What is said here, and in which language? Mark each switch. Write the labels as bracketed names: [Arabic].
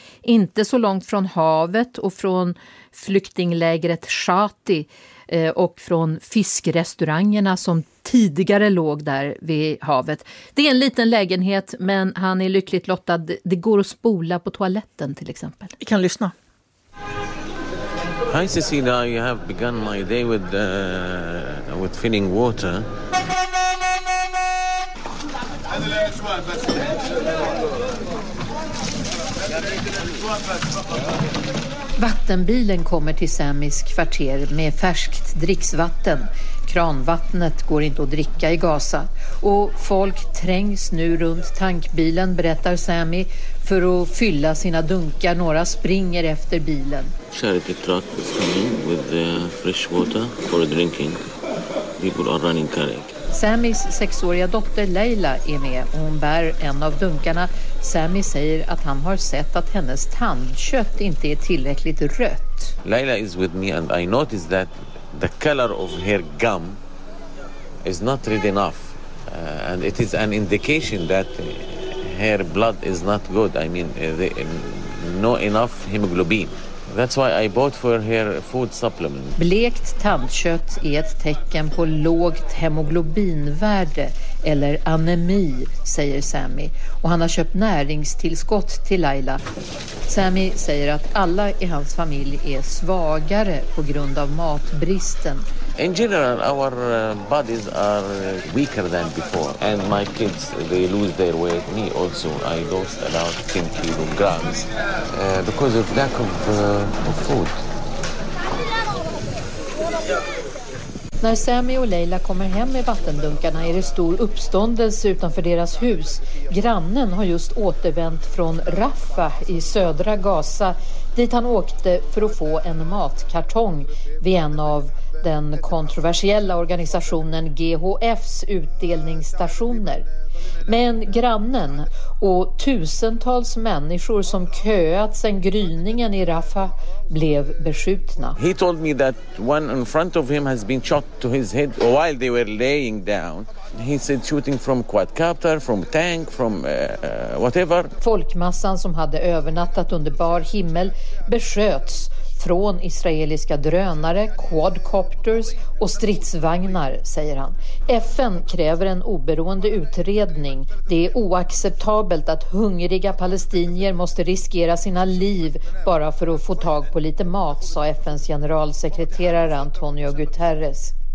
[Swedish] Inte så långt från havet och från flyktinglägret Shati och från fiskrestaurangerna som tidigare låg där vid havet. Det är en liten lägenhet, men han är lyckligt lottad. Det går att spola på toaletten till exempel. Vi kan lyssna. [English] Hi Cecilia, I have begun my day with filling water. [Swedish] Vattenbilen kommer till Samis kvarter med färskt dricksvatten. Kranvattnet går inte att dricka i Gaza. Och folk trängs nu runt tankbilen, berättar Sami, för att fylla sina dunkar. Några springer efter bilen. [English] Charity truck is coming with fresh water for drinking. People are running carrying. [Swedish] Samis sexåriga dotter Leila är med och hon bär en av dunkarna. Sami säger att han har sett att hennes tandkött inte är tillräckligt rött. [English] Leila is with me and I noticed that the color of her gum is not red enough. And it is an indication that her blood is not good. I mean, no enough hemoglobin. That's why I bought for her food supplement. [Swedish] Blekt tandkött är ett tecken på lågt hemoglobinvärde eller anemi, säger Sami. Och han har köpt näringstillskott till Laila. Sami säger att alla i hans familj är svagare på grund av matbristen. [English] In general, our bodies are weaker than before. And my kids, they lose their weight. Me also, I lost about 10 kilograms because of lack of food. [Swedish] När Sami och Leila kommer hem med vattendunkarna är det stor uppståndelse utanför deras hus. Grannen har just återvänt från Rafah i södra Gaza dit han åkte för att få en matkartong vid en av den kontroversiella organisationen GHFs utdelningsstationer. Men grannen och tusentals människor som köat sedan gryningen i Rafah blev beskjutna. [English] He told me that one in front of him has been shot to his head while they were laying down. He said shooting from quadcopter, from tank, from whatever. [Swedish] Folkmassan som hade övernattat under bar himmel besköts från israeliska drönare, quadcopters och stridsvagnar, säger han. FN kräver en oberoende utredning. Det är oacceptabelt att hungriga palestinier måste riskera sina liv bara för att få tag på lite mat, sa FNs generalsekreterare Antonio Guterres.